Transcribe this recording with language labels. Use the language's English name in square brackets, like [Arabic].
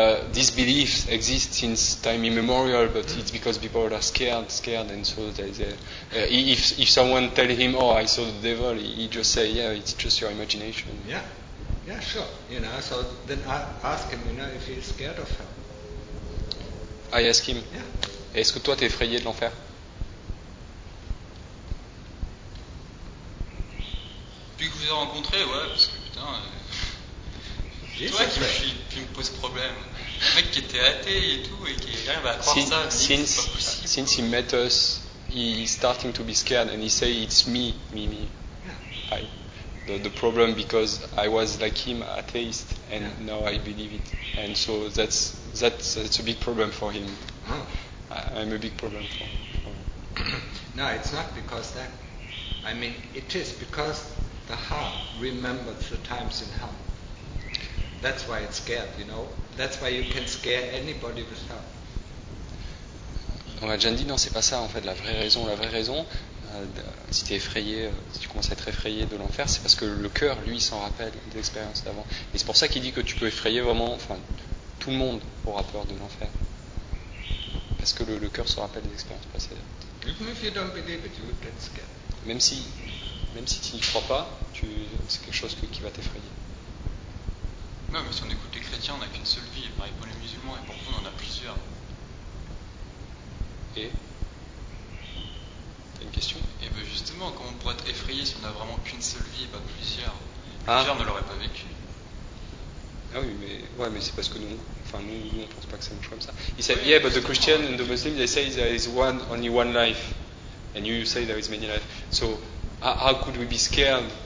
[English] These beliefs exist since time immemorial. But it's because people are scared, and so if someone tell him, "Oh, I saw the devil," he just say, "Yeah, it's just your imagination." Yeah, yeah, sure. You know. So then I ask him, you know, if he's scared of hell. I ask him. Yeah. [French] Est-ce que toi t'es effrayé de l'enfer? Depuis que vous avez rencontré, ouais, parce que putain. C'est toi qui me pose problème. Le mec qui était athée et tout, et qui arrive à croire [English] since, [French] ça. [English] Since, [French] c'est pas [English] since he met us, he's starting to be scared and he say it's me. I, the problem because I was like him, atheist, and yeah. Now I believe it. And so that's a big problem for him. Oh. I'm a big problem for him. No, it's not because that. I mean, it is because the heart remembers the times in hell. That's why it's scared, you know. That's why you can scare anybody with hell. [French] On a déjà dit, non, c'est pas ça en fait. La vraie raison, si tu es effrayé, si tu commences à être effrayé de l'enfer, c'est parce que le cœur, lui, s'en rappelle des expériences d'avant. Et c'est pour ça qu'il dit que tu peux effrayer vraiment, enfin, tout le monde aura peur de l'enfer. Parce que le cœur se rappelle des expériences passées. Even if you don't believe it, you would get scared. Même si tu n'y crois pas, c'est quelque chose qui va t'effrayer. Non, mais si on écoute les chrétiens, on n'a qu'une seule vie. Et pareil pour les musulmans, et pourtant on en a plusieurs. Et t'as une question? Et bien justement, comment on pourrait être effrayé si on n'a vraiment qu'une seule vie et pas plusieurs? Plusieurs ne l'auraient pas vécu. Ah oui, mais c'est parce que nous, on ne pense pas que ça marche comme ça. Il dit, [English] yeah, but the Christian and the Muslim, they say there is one, only one life. And you say there is many lives. So how could we be scared?